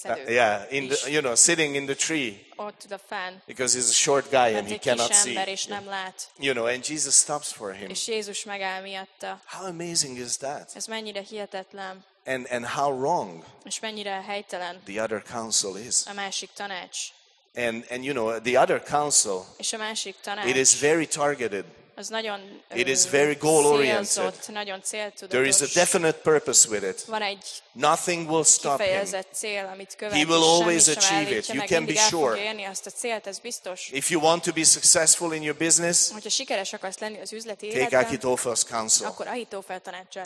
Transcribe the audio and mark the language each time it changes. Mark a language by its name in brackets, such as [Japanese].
[English] Yeah, in the, you know, sitting in the tree. [Hungarian] Ott a fán. [English] Because he's a short guy and he cannot see. [Hungarian] Mert egy kis ember, és nem lát. [English] You know, and Jesus stops for him. [Hungarian] És Jézus megáll miatta. [English] How amazing is that? [Hungarian] Ez mennyire hihetetlen. [English] And how wrong the other council is. [Hungarian] A másik tanács. [English] And you know, the other council, [Hungarian] és a másik tanács, [English] it is very targeted. [Hungarian] Az nagyon, [English] it is very goal-oriented. [Hungarian] Nagyon céltudatos. [English] There is a definite purpose with it. [Hungarian] Van egy [English] nothing will stop [Hungarian] kifejezett [English] him. [Hungarian] Cél, amit követ, [English] he will always achieve it. You can be sure. [Hungarian] Érni azt a célt, ez biztos. [English] If you want to be successful in your business, [Hungarian] hogyha sikeres akarsz lenni az üzleti [English] take Ahitófel's counsel. [Hungarian] Akkor Ahitófel tanácsát